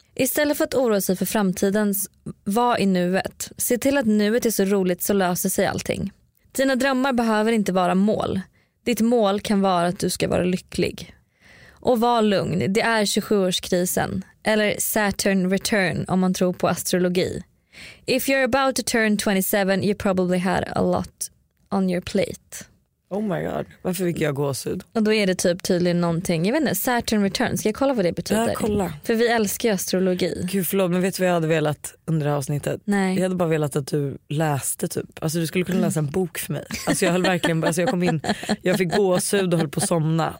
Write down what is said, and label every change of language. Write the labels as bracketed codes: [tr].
[sv] Istället för att oroa sig för framtiden, var i nuet. Se till att nuet är så roligt, så löser sig allting. Dina drömmar behöver inte vara mål. Ditt mål kan vara att du ska vara lycklig. Och var lugn, det är 27-årskrisen. Eller Saturn return om man tror på astrologi. [en] If you're about to turn 27, you probably had a lot on your plate. Oh my god, [sv] varför fick jag gåshud? Och då är det typ tydligen någonting. Jag vet inte, Saturn return, ska jag kolla vad det betyder? Ja, kolla. För vi älskar astrologi. Gud förlåt, men vet du vad jag hade velat under det här avsnittet? Nej. Jag hade bara velat att du läste typ. Alltså du skulle kunna läsa en bok för mig. Alltså jag höll verkligen, alltså jag kom in, jag fick gåshud och höll på att somna.